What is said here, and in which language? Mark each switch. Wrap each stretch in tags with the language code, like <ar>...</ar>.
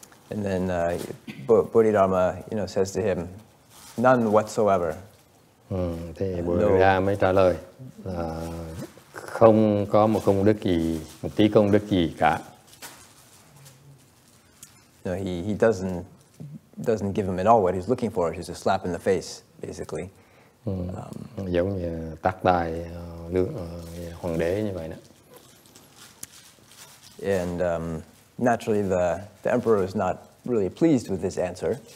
<en>And then Bodhidharma, says to him, none whatsoever.</en> <vi>Thì Bodhidharma mới trả lời là không có một công đức gì, một tí công đức gì cả.</vi> <en>No, he doesn't give him at all what he's looking for. It's just a slap in the face, basically.</en> <vi>Giống như tát tai hoàng đế như vậy đó.</vi> <en>And naturally, the emperor is not really pleased with this answer.</en>